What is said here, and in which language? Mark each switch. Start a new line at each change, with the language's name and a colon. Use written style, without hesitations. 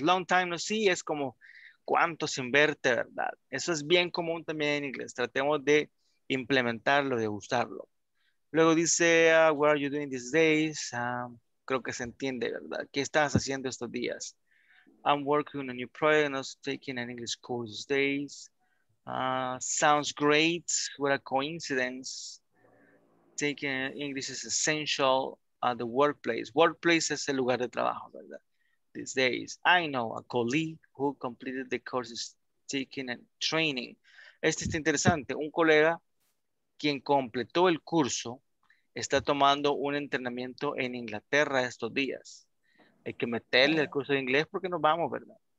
English: Long time no see
Spanish: es como cuánto sin verte, ¿verdad? Eso es bien común también en inglés. Tratemos de implementarlo, de usarlo. Luego dice,
English: what are you doing these days?
Spanish: Creo que se entiende, ¿verdad? ¿Qué estás haciendo estos días?
English: I'm working on a new project and I'm taking an English course these days. Sounds great. What a coincidence. Taking English is essential at the workplace.
Spanish: Workplace es el lugar de trabajo, ¿verdad? These days.
English: I know a colleague who completed the course is taking a training.
Spanish: Este está interesante. Un colega quien completó el curso está tomando un entrenamiento en Inglaterra estos días. Hay que meterle el curso de inglés porque nos vamos, ¿verdad?